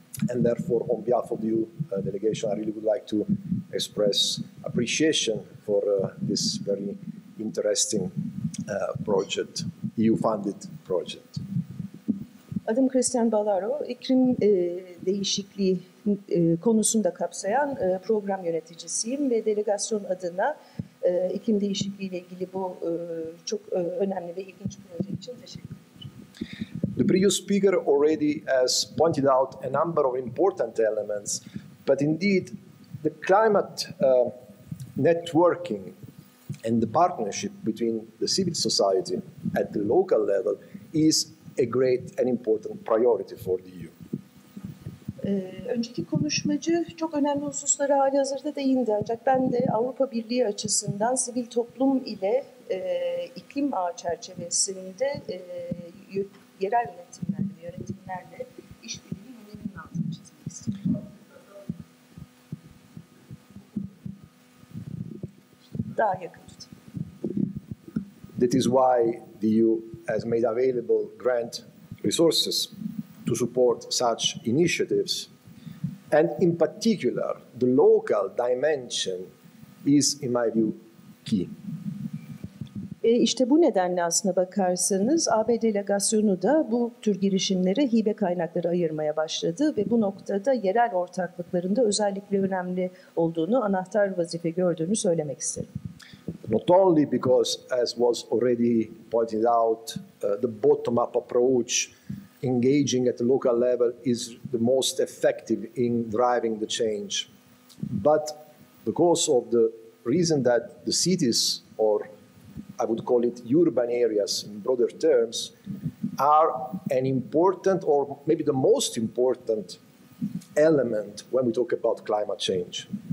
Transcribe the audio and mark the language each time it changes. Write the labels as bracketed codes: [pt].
[en] And therefore, on behalf of the EU delegation, I really would like to express appreciation for this very interesting project, EU-funded project. [tr] Adım Christian Ballaro, iklim değişikliği konusunda kapsayan program yöneticisiyim ve delegasyon adına iklim değişikliği ile ilgili bu çok önemli ve ilginç proje için teşekkür ederim. [en] The previous speaker already has pointed out a number of important elements, but indeed the climate networking and the partnership between the civil society at the local level is a great and important priority for the EU. [tr] Önceki konuşmacı çok önemli hususlara halihazırda değindi. Ancak ben de Avrupa Birliği açısından sivil toplum ile iklim ağı çerçevesinde yerel yönetimlerle, işbirliğinin önemini altını çizmek istiyorum. Daha yakın tutayım. [en] That is why the EU has made available grant resources to support such initiatives. And in particular, the local dimension is, in my view, key. [tr] İşte bu nedenle aslına bakarsanız AB delegasyonu da bu tür girişimlere hibe kaynakları ayırmaya başladı ve bu noktada yerel ortaklıkların da özellikle önemli olduğunu, anahtar vazife gördüğünü söylemek isterim. [en] Not only because, as was already pointed out, the bottom-up approach engaging at the local level is the most effective in driving the change, but because of the reason that the cities, or I would call it urban areas in broader terms, are an important or maybe the most important element when we talk about climate change.